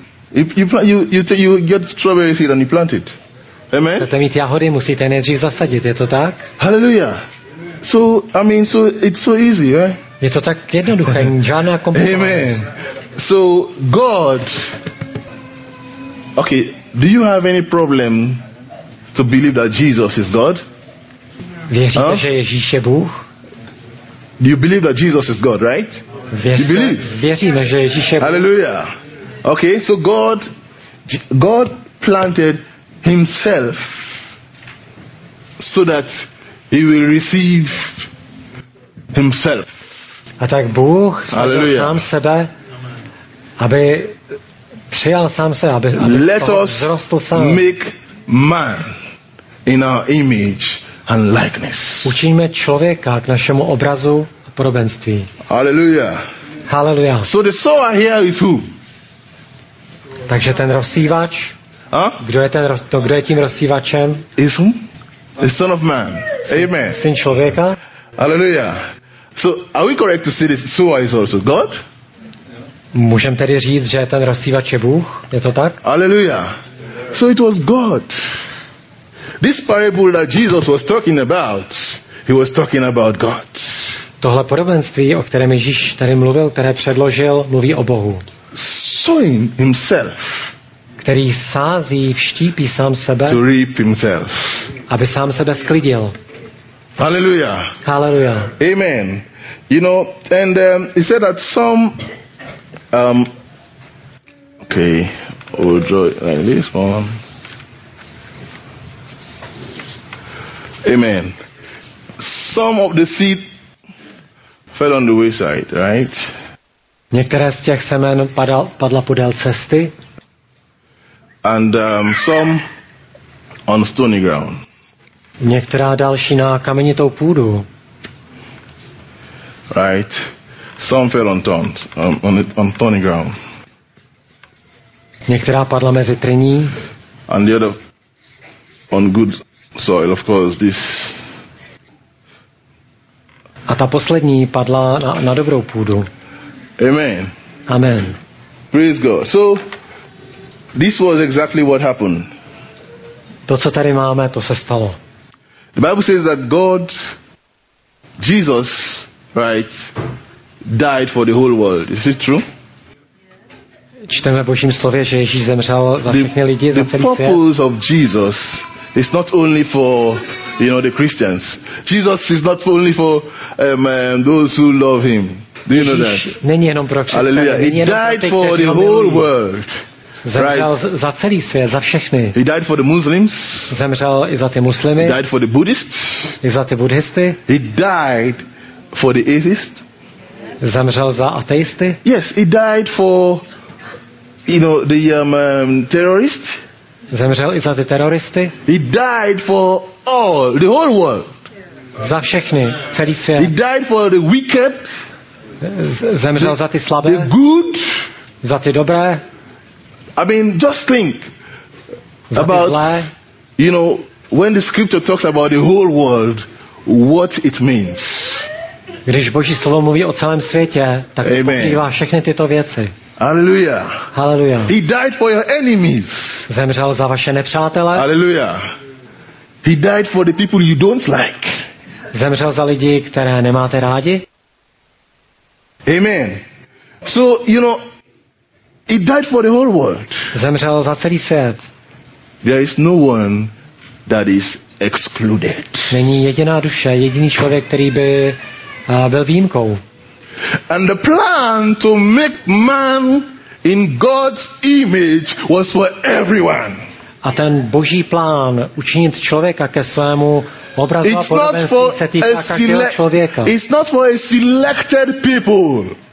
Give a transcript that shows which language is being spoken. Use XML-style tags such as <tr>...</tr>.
<en>If you get strawberry seed and you plant it. Amen.</en> <cs>Chcete mít jahody, musíte nejdřív zasadit, je to tak? Hallelujah.</cs> <en>So I mean, so it's so easy, right?</en> <cs>Je to tak jednoduché, žádná komplikace.</cs> <en>Amen. So God. Okay, do you have any problem to believe that Jesus is God?</en> <cs>Věříte, že Ježíš je Bůh?</cs> <en>Do you believe that Jesus is God, right? You believe?</en> <cs>Věříme, že Ježíš je Bůh. Hallelujah.</cs> <en>Okay, so God planted himself so that he will receive himself.</en> <cs>A tak Bůh sadil sám sebe, aby přijal sám sebe, aby</cs> <en>let</en> <cs>toho vzrostl sám.</cs> <en>Let us make man in our image and likeness.</en> <cs>Učiníme člověka k našemu obrazu a podobenství. Hallelujah. Hallelujah.</cs> <en>So the sower here is who?</en> <cs>Takže ten rozsívač, kdo je tím rozsívačem?</cs> <en>Is who? The son of man. Amen.</en> <cs>Syn člověka. Hallelujah.</cs> <en>So are we correct to say this sower is also God?</en> <cs>Můžeme tedy říct, že ten rozsívač je Bůh? Je to tak?</cs> <en>Hallelujah. So it was God. This parable that Jesus was talking about, he was talking about God.</en> <cs>Tohle podobenství, o kterém Ježíš tady mluvil, které předložil, mluví o Bohu.</cs> <en>Sowing himself.</en> <cs>Který sází, vštípí sám sebe.</cs> <en>To reap himself.</en> <cs>Aby sám sebe sklidil. Hallelujah. Hallelujah. Amen.</cs> <en>You know, and he said that some okay, we'll draw it like this one. Amen. Some of the seed fell on the wayside, right?</en> <cs>Některé z těch semen padla podél cesty.</cs> <en>And some on stony ground.</en> <cs>Některá další na kamenitou půdu.</cs> <en>Right. Some fell on thorny ground.</en> <cs>Některá padla mezi trní.</cs> <en>And the other on good soil, of course, this.</en> <cs>ta poslední padla na dobrou půdu. Amen. Amen. Praise God.</cs> <en>So this was exactly what happened.</en> <cs>To, co tady máme, to se stalo.</cs> <en>The Bible says that God, Jesus, right, died for the whole world. Is it true?</en> <cs>Čteme v Božím slově, že Ježíš zemřel za všechny lidi, za celý svět.</cs> <en>The purpose of Jesus is not only for, you know, the Christians. Jesus is not only for those who love him. Do you know that?</en> <cs>Není jenom pro křesťany. Hallelujah.</cs> <en>He died for the whole world.</en> <cs>Zemřel za celý svět, za všechny.</cs> <en>He died for the Muslims.</en> <cs>Zemřel i za ty muslimy.</cs> <en>He died for the Buddhists.</en> <cs>I za ty buddhisty.</cs> <en>He died for the atheists.</en> <cs>Zemřel za ateisty.</cs> <en>Yes, he died for, you know, the terrorists.</en> <cs>Zemřel i za ty teroristy.</cs> <en>He died for all, the whole world.</en> <cs>Za všechny, celý svět.</cs> <en>He died for the wicked.</en> <cs>Zemřel za ty slabé.</cs> <en>The good.</en> <cs>Za ty dobré.</cs> <en>I mean, just think about, you know, when the scripture talks about the whole world, what it means.</en> <cs>Když Boží slovo mluví o celém světě, tak pokrývá všechny tyto věci. Hallelujah. Hallelujah.</cs> <en>He died for your enemies.</en> <cs>Zemřel za vaše nepřátele. Hallelujah.</cs> <en>He died for the people you don't like.</en> <cs>Zemřel za lidi, které nemáte rádi. Amen.</cs> <en>So, you know, he died for the whole world.</en> <cs>Zemřel za celý svět.</cs> <en>There is no one that is excluded.</en> <cs>Není jediná duše, jediný člověk, který by byl výjimkou.</cs> <en>And the plan to make man in God's image was for everyone.</en> <cs>A ten Boží plán učinit člověka ke svému obrazu a podobenství se týká každého člověka.</cs> <en>It's not for a selected people.</en>